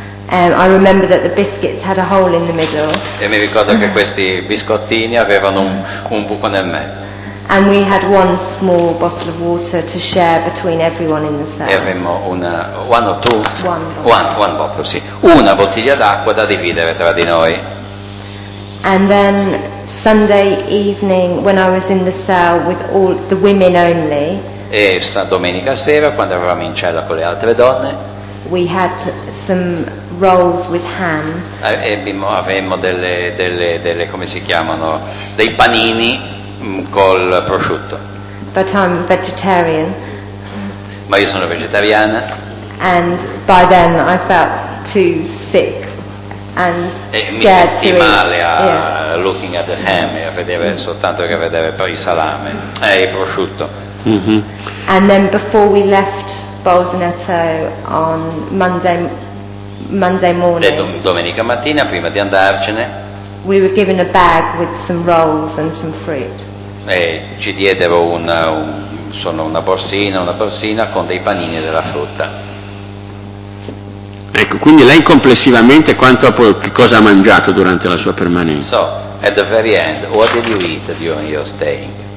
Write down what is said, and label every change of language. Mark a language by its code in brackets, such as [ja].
[en] I remember that the biscuits had a hole in the middle. [it] E mi ricordo che questi biscottini avevano un buco nel mezzo. [en] And we had one small bottle of water to share between everyone in the cell. [it] E avemmo [en] one bottle, [it] una bottiglia d'acqua da dividere tra di noi. [en] And then Sunday evening when I was in the cell with all the women only. [it] E domenica sera quando eravamo in cella con le altre donne. [en] We had some rolls with ham. [it] Avemmo delle come si chiamano, dei panini col prosciutto. [en] But I'm vegetarian. [it] Ma io sono vegetariana. [en] And by then I felt too sick and scared to eat. [it] Mi sentii male [en] looking at the ham, [it] a vedere soltanto che vedere poi il salame e il prosciutto. Mm-hmm. [en] And then before we left Bolzaneto on Monday morning. [it] Domenica mattina prima di andarcene. [en] We were given a bag with some rolls and some fruit. [it] E ci diedero una borsina con dei panini e della frutta. Ecco, quindi lei complessivamente che cosa ha mangiato durante la sua permanenza? [en] So, at the very end, what did you eat during your staying?